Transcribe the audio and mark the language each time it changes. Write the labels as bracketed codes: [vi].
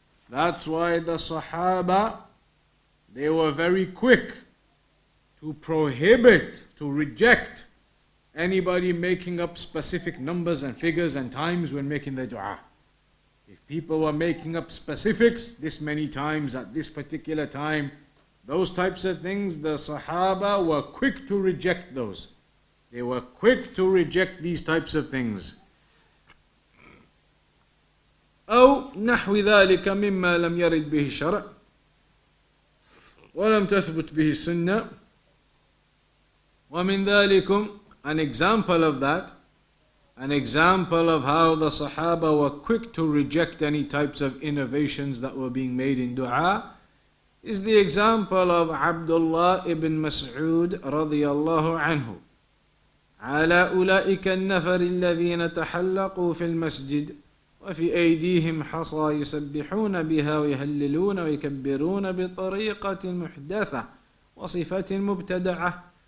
[en] That's why the Sahaba, they were very quick to prohibit, to reject anybody making up specific numbers and figures and times when making the dua. If people were making up specifics, this many times at this particular time, those types of things, the Sahaba were quick to reject those. They were quick to reject these types of things. [ar] أو نحو ذلك مما لم يرد به الشرع ولم تثبت به السنة ومن ذلكم. [en] An example of that, an example of how the Sahaba were quick to reject any types of innovations that were being made in dua, is the example of Abdullah ibn Mas'ud radiyallahu anhu. [ar] عَلَىٰ أُولَٰئِكَ النَّفَرِ الَّذِينَ تَحَلَّقُوا فِي الْمَسْجِدِ وَفِي أَيْدِيهِمْ حَصَى يُسَبِّحُونَ بِهَا وَيَهَلِّلُونَ وَيَكَبِّرُونَ بِطَرِيقَةٍ مُحْدَثَةٍ وَصِفَةٍ مُبْتَدَعَةٍ.